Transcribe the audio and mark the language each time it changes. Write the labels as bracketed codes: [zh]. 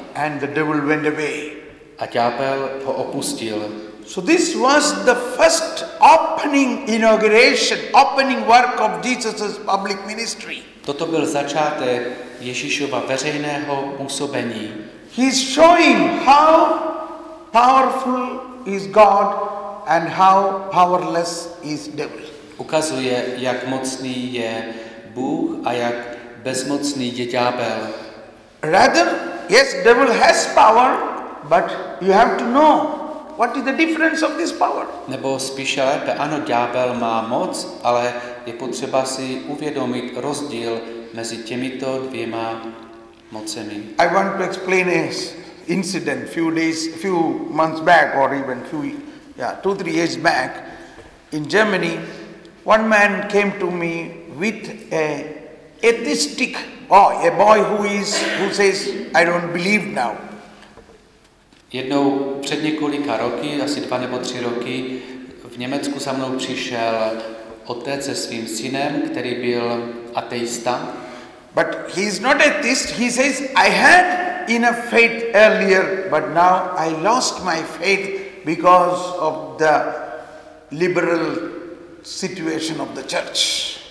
[en] And the devil went away. [cs] A ďábel ho opustil. [en] So this was the first opening inauguration, opening work of Jesus' public ministry. [cs] Toto byl začátek Ježíšova veřejného působení. [en] He's showing how powerful is God and how powerless is devil. [cs] Ukazuje, jak mocný je Bůh a jak bezmocný je ďábel. [en] Rather, yes, devil has power, but you have to know what is the difference of this power. [cs] Nebo spíše lépe, ano, ďábel má moc, ale je potřeba si uvědomit rozdíl mezi těmito dvěma mocemi. [en] I want to explain this incident few days, few months back, or even few, yeah, 2-3 years back in Germany. One man came to me with a atheistic boy, a boy who says, I don't believe now. [cs] Jednou před několika roky, asi 2 nebo 3 roky, v Německu za mnou přišel otec se svým synem, který byl ateista. [en] But he is not atheist. He says, I had enough faith earlier, but now I lost my faith because of the liberal situation of the church.